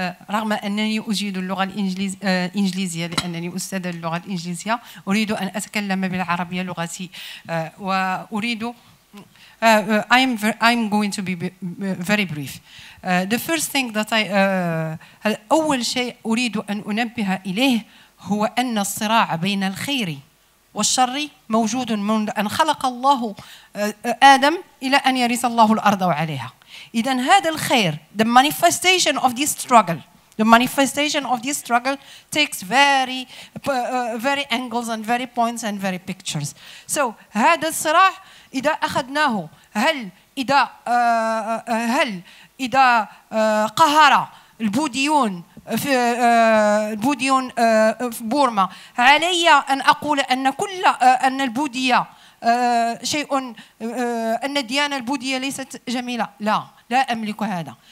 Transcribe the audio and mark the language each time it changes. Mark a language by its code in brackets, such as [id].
[ar] رغم أنني أجيد اللغة الإنجليزية لأنني أستاذة اللغة الإنجليزية أريد أن أتكلم بالعربية لغتي وأريد [en] I'm going to be very brief. The first thing that I [ar] أول شيء أريد أن أنبه إليه هو أن الصراع بين الخير والشر موجود منذ أن خلق الله آدم إلى أن يرث الله الأرض وعليها. إذن هذا الخير, [en] the manifestation of this struggle, the manifestation of this struggle takes very, very angles and very points and very pictures. [ar] So هذا الصراع إذا أخذناه هل إذا قهر البوديون في بورما علي أن أقول أن كل أن البودية شيء أن الديانة البودية ليست جميلة لا لا أملك هذا.